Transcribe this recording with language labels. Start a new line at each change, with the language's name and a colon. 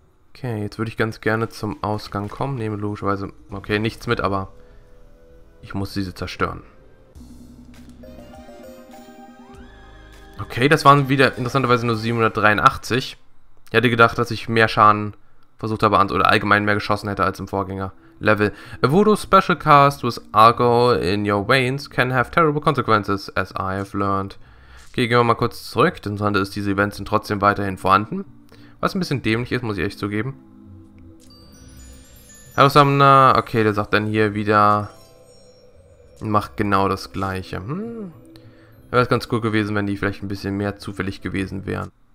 German: Okay, jetzt würde ich ganz gerne zum Ausgang kommen. Nehme logischerweise, okay, nichts mit, aber ich muss diese zerstören. Okay, das waren wieder interessanterweise nur 783. Ich hätte gedacht, dass ich mehr Schaden versucht habe oder allgemein mehr geschossen hätte als im Vorgänger-Level.
English: A voodoo special cast with alcohol in your veins can have terrible consequences, as I have learned.
German: Okay, gehen wir mal kurz zurück. Interessant ist, diese Events sind trotzdem weiterhin vorhanden. Was ein bisschen dämlich ist, muss ich echt zugeben. Hallo Summoner. Okay, der sagt dann hier wieder. Macht genau das Gleiche. Wäre es ganz cool gewesen, wenn die vielleicht ein bisschen mehr zufällig gewesen wären.